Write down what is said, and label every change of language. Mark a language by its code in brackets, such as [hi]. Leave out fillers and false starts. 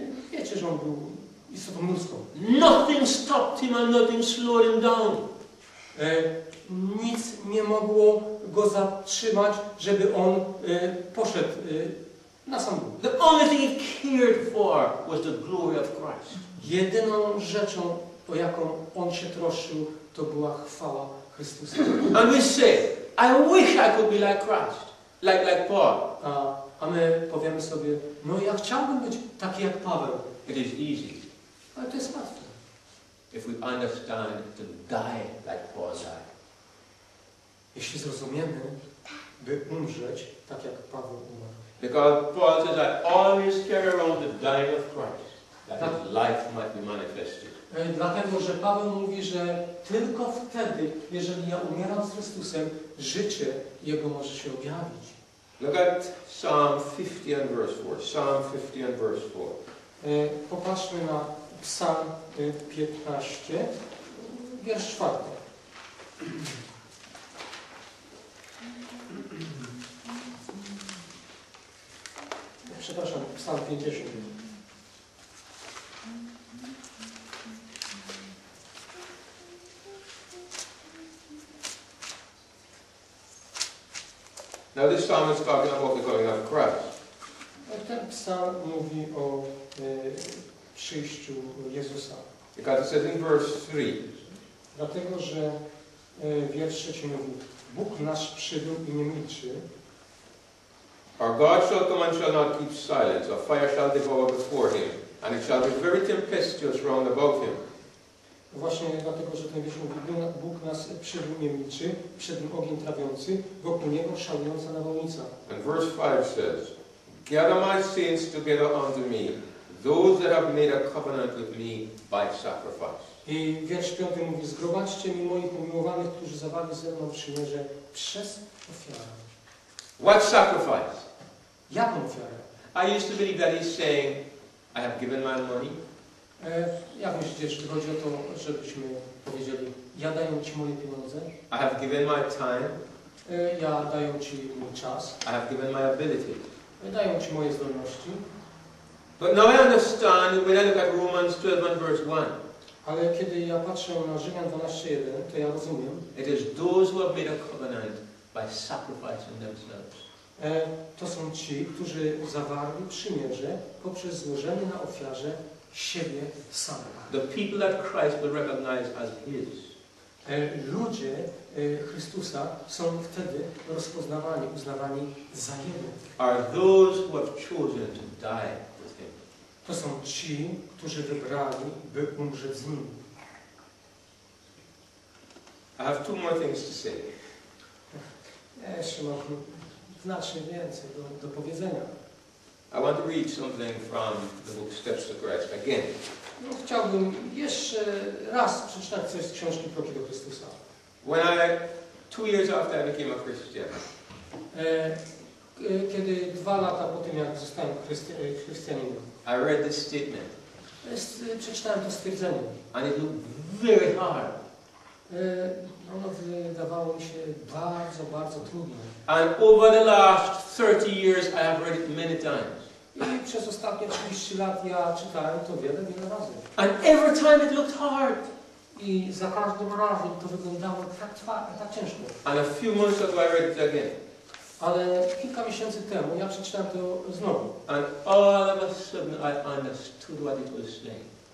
[pl] Wiecie, że on był istotą ludzką. [en] Nothing stopped him and nothing slowed him down. [pl] Nic nie mogło go zatrzymać, żeby on poszedł na sam dół. [en] The only thing he cared for was the glory of Christ. [pl] Jedyną rzeczą, o jaką on się troszczył, to była chwała Chrystusa. [en] And we say, I wish I could be like Christ, like Paul. [pl] a my powiemy sobie, no ja chciałbym być taki jak Paweł. [en] It is easy. [pl] Ale to jest łatwe. [en] If we understand to die like Paul died. [pl] Jeśli zrozumiemy, by umrzeć tak jak Paweł umarł. [en] Because Paul says, I always carry around the dying of Christ, that his life might be manifested. [pl] Dlatego, że Paweł mówi, że tylko wtedy, jeżeli ja umieram z Chrystusem, życie Jego może się objawić. [en] Look at Psalm 50 and verse 4. Psalm 50 and verse 4. [pl] Popatrzmy na Psalm 15, wiersz 4. Przepraszam, Psalm 50. [en] Now this psalm is talking about the coming of Christ. [pl] Ten psalm mówi o przyjściu Jezusa. [en] Because it says in verse 3. [pl] Dlatego, że wiersz trzeci mówi, Bóg nasz przybył i nie milczy. [en] Our God shall come and shall not keep silence. A fire shall devour before him. And it shall be very tempestuous round about him. [pl] Właśnie dlatego, że ten wiersz mówi, Bóg nas przybył nie milczy, przed nim ogień trawiący, wokół niego szalująca nawałnica. [en] And verse 5 says, gather my sins together unto me, those that have made a covenant with me by sacrifice. [pl] I wiersz 5 mówi, zgromadźcie mi moich umiłowanych, którzy zawali ze mną przymierze przez ofiarę. [en] What sacrifice? [pl] Jaką ofiarę? [en] I used to believe that he's saying, I have given my money. [pl] Jak myślicie, jeśli chodzi o to, żebyśmy powiedzieli, ja daję Ci moje pieniądze. [en] I have given my time. [pl] Ja daję Ci mój czas. [en] I have given my ability. [pl] Daję Ci moje zdolności. [en] But now I understand when I look at Romans 12 and verse 1. [pl] Ale kiedy ja patrzę na Rzymian 12:1, to ja rozumiem. [en] It is those who have made a covenant by sacrificing themselves. [pl] To są ci, którzy zawarli przymierze poprzez złożenie na ofiarze siebie sama. [en] The people that Christ will recognize as his. [pl] Ludzie Chrystusa są wtedy rozpoznawani, uznawani za Jego. [en] Are those who have chosen to die with him. [pl] To są ci, którzy wybrali, by umrzeć z Nim. [en] I have two more things to say. [pl] Jeszcze mam znacznie więcej do powiedzenia. [en] I want to read something from the book Steps to Christ again. [pl] No, chciałbym jeszcze raz przeczytać coś z książki Kroki do Chrystusa. [en] When I, 2 years after I became a Christian. [pl] Kiedy 2 lata po tym, jak zostałem chrześcijaninem. [en] I read this statement. [pl] Przeczytałem to stwierdzenie. [en] And it looked very hard. [pl] Ono wydawało mi się bardzo, bardzo trudne. [en] And over the last 30 years I have read it many times. [pl] I przez ostatnie 30 lat ja czytałem to wiele, wiele razy. [en] And every time it looked hard. [pl] I za każdym razem to wyglądało tak ciężko. [en] And a few months ago I read it again. [pl] Ale kilka miesięcy temu ja przeczytałem to znowu. [en] And all of a sudden I understood what it was saying.